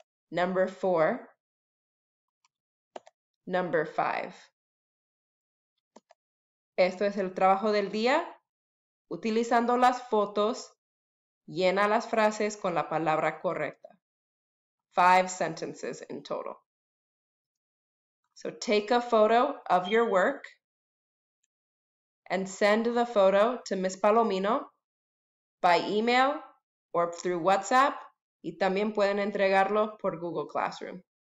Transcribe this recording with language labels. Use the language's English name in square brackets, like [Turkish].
[English] Number four. Number five. [Spanish] Esto es el trabajo del día. Utilizando las fotos, llena las frases con la palabra correcta. [English] Five sentences in total. So take a photo of your work and send the photo to Ms. [Spanish] Palomino [English] by email or through WhatsApp, [Spanish] y también pueden entregarlo por Google Classroom.